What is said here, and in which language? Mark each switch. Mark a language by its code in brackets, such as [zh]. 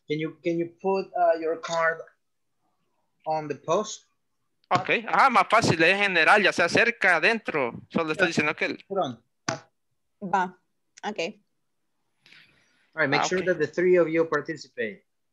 [en] Can you put your card on the post? [es] Ok, ah, más fácil, es general, ya sea cerca, adentro. Solo estoy diciendo que... Va, ok. [en] All right, make sure that the three of you participate.